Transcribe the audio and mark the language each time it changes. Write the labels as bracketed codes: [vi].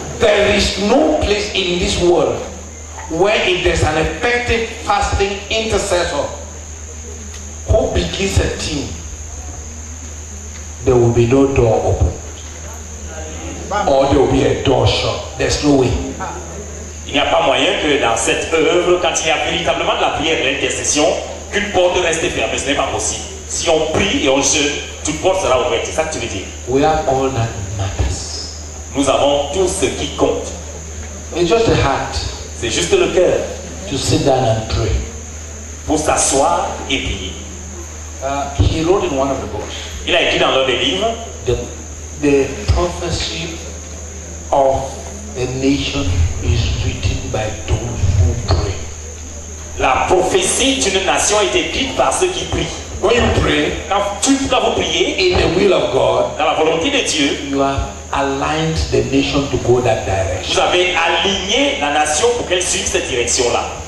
[en] There is no place in this world where if there's an effective fasting intercessor who begins a team, there will be no door open. Or there will be a door shut. There's no way. [fr] Il n'y a pas moyen que dans cette œuvre, quand il y a véritablement de la prière, de l'intercession, qu'une porte reste fermée. Ce n'est pas possible. Si on prie et on jeûne, toute porte sera ouverte. C'est ça que tu veux dire. [en] We have all that matters. [fr] Nous avons tout ce qui compte. [en] It's just the heart. [fr] C'est juste le cœur. [en] To sit down and pray. [fr] Pour s'asseoir et prier. [en] He wrote in one of the books. [fr] Il a écrit dans l'un des livres. [en] The prophecy of a nation is written by those who pray. [fr] La prophétie d'une nation est écrite par ceux qui prient. [en] When you pray, [fr] quand vous priez, [en] in the will of God, [fr] dans la volonté de Dieu, [en] you have aligned the nation to go that direction. [fr] Vous avez aligné la nation pour qu'elle suive cette direction-là.